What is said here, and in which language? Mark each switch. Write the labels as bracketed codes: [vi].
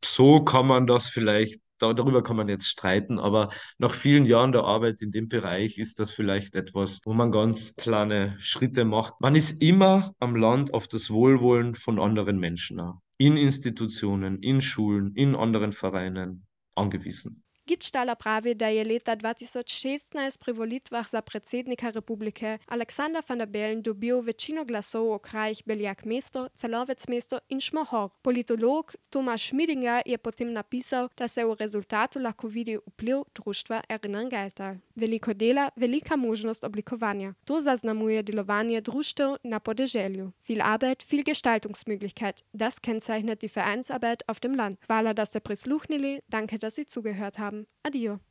[de] So kann man das vielleicht, darüber kann man jetzt streiten, aber nach vielen Jahren der Arbeit in dem Bereich ist das vielleicht etwas, wo man ganz kleine Schritte macht. Man ist immer am Land auf das Wohlwollen von anderen Menschen, in Institutionen, in Schulen, in anderen Vereinen angewiesen. [sl] Gitstala pravi, da je leta 2016 pri volitvah za predsednika republike Aleksander Van der Bellen dobil večino glasov v krajih Beljak mesto, Celovec mesto in Šmohor. Politolog Tomaš Šmidinga je potem napisal, da se v rezultatu lahko vidi vpliv društva Erinnern Galtal. Veliko dela, velika možnost oblikovanja. To zaznamuje delovanje društev na podeželju. [de] Viel Arbeit, viel Gestaltungsmöglichkeit. Das kennzeichnet die Vereinsarbeit auf dem Land. [sl] Hvala, da ste prisluhnili, [de] danke, da si zugehört haben. Adieu.